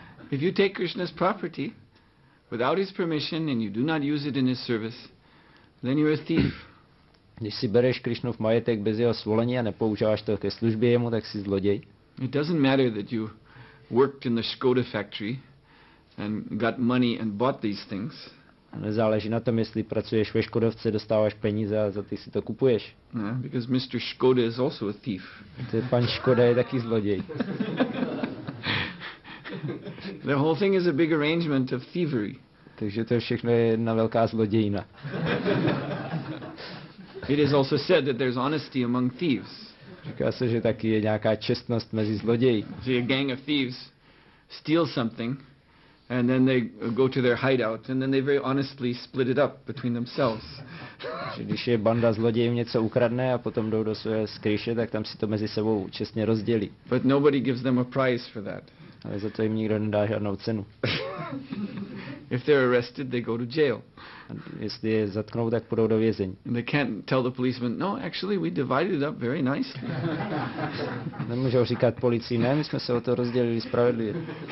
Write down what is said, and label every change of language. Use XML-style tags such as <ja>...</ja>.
<en>If you take Krishna's property without his permission and you do not use it in his service, then you're a thief.</en> <cs>Když si bereš Krishnův majetek bez jeho svolení a nepoužíváš to ke službě jemu, tak jsi zloděj.</cs> <en>It doesn't matter that you worked in the Škoda factory and got money and bought these things.</en> <cs>Nezáleží na tom, jestli pracuješ ve Škodovce, dostáváš peníze a za ty si to kupuješ.</cs> <en>Yeah, because Mr. Škoda is also a thief.</en> <cs>Ten pan Škoda je taky zloděj.</cs> <en>The whole thing is a big arrangement of thievery.</en> <cs>Takže to všechno je jedna velká zlodějina.</cs> <en>It is also said that there's honesty among thieves.</en> <cs>Říká se, že taky je nějaká čestnost mezi zloději.</cs> <en>So a gang of thieves steal something and then they go to their hideout and then they very honestly split it up between themselves.</en> <cs>Že když je banda zlodějů něco ukradne a potom jdou do své skryše, tak tam si to mezi sebou čestně rozdělí.</cs> <en>But nobody gives them a prize for that.</en> <cs>Ale za to jim nikdo nedá žádnou cenu.</cs> <en>If they're arrested, they go to jail.</en> <cs>Jestli je zatknou, tak půjdou do vězení.</cs> <en>And they can't tell the policeman, no, actually, we divided it up very nicely.</en> <cs>Nemůžou říkat policii, ne, my jsme se o to rozdělili spravedlivě.</cs>